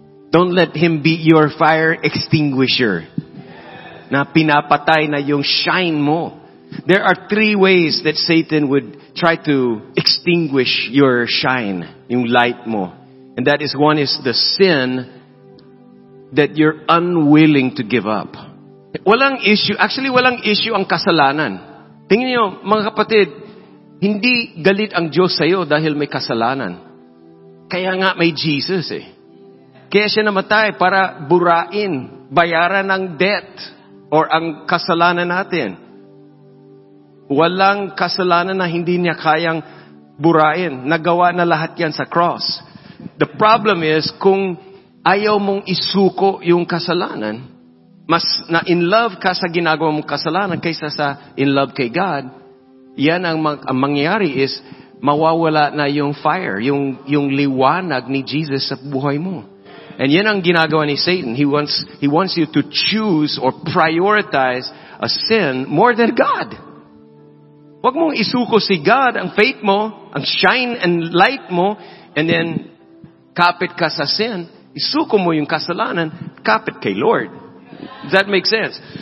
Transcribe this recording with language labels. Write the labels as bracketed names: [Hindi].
[English] Don't let him be your fire extinguisher. [Filipino] Na pinapatay na yung shine mo. [English] There are three ways that Satan would try to extinguish your shine, [Filipino] yung light mo. [English] And that is one is the sin that you're unwilling to give up. [Filipino] Walang issue. Actually, walang issue ang kasalanan. Tingin niyo, mga kapatid, hindi galit ang Diyos sa'yo dahil may kasalanan. Kaya nga may Jesus eh. Kaya siya namatay para burain, bayaran ang debt or ang kasalanan natin. Walang kasalanan na hindi niya kayang burain. Nagawa na lahat yan sa cross. [English] The problem is, [Filipino] kung ayaw mong isuko yung kasalanan, mas na in love ka sa ginagawa mong kasalanan kaysa sa in love kay God, yan ang mangyayari is, mawawala na yung fire, yung liwanag ni Jesus sa buhay mo. And yan ang ginagawa ni Satan. [English] He wants you to choose or prioritize a sin more than God. [Filipino] Huwag mong isuko si God, ang faith mo, ang shine and light mo, and then kapit ka sa sin. Isuko mo yung kasalanan, kapit kay Lord. [English] Does that make sense?